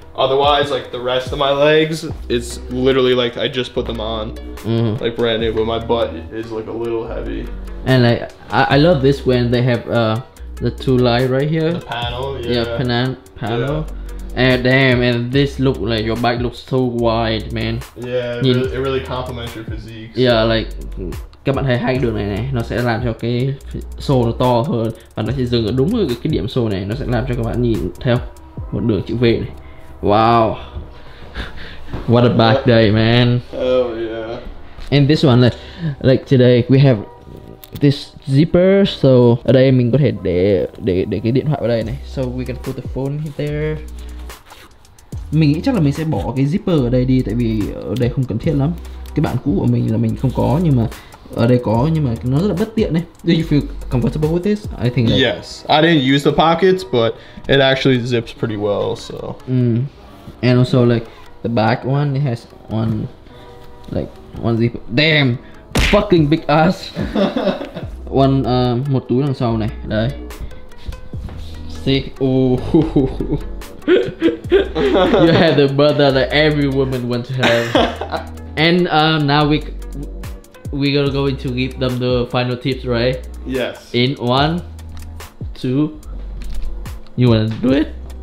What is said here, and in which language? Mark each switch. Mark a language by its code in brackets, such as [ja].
[en] Otherwise, like the rest of my legs, it's literally like I just put them on, mm-hmm. like brand new, but my butt is like a little heavy. And like, I love this when they have the 2 light right here. The panel, yeah. Yeah, panel. Yeah. And damn, and this look like your back looks so wide, man. Yeah, it really complements your physique. So. Yeah, like [vi] các bạn thấy hai đường này nó sẽ làm cho cái xô nó to hơn và nó sẽ dừng ở đúng ở cái điểm xô này, nó sẽ làm cho các bạn nhìn theo một đường chữ V này. [en] Wow, what a back day, man. Oh yeah. And this one, like today we have this zipper, so [vi] ở đây mình có thể để cái điện thoại ở đây này. [en] So we can put the phone there. [vi] Mình nghĩ chắc là mình sẽ bỏ cái zipper ở đây đi, tại vì ở đây không cần thiết lắm. Cái bản cũ của mình là mình không có, nhưng mà ở đây có, nhưng mà nó rất là bất tiện đấy. [en] Do you feel comfortable with this? I think like... Yes, I didn't use the pockets, but it actually zips pretty well, so. Mm. And also like the back one, it has one, like one zipper. Damn, fucking big ass. [vi] One, một túi đằng sau này, đây. [en] See, ooh. You have the butt that like, every woman wants to have. And now we're going to give them the final tips, right? Yes. In 1, 2. You wanna do it?